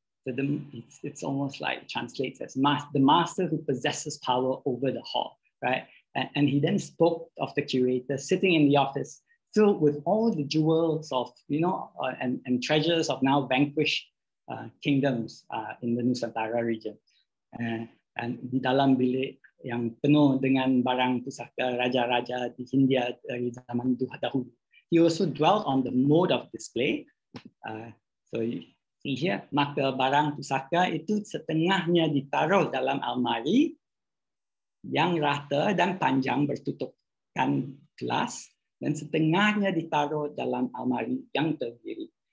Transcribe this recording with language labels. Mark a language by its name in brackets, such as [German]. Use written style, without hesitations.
[English] So it's almost like translates as the master who possesses power over the hall, right? And he then spoke of the curator sitting in the office filled with all the jewels of, you know, and treasures of now vanquished kingdoms in the Nusantara region. [Indonesian] And di dalam bilik yang penuh dengan barang pusaka raja-raja di Hindia dari zaman dahulu. [English] He also dwelt on the mode of display. So you see here, [Indonesian] maka barang pusaka itu setengahnya ditaruh dalam almari yang rata dan panjang bertutupkan kelas, dan setengahnya ditaruh dalam almari yang terdiri.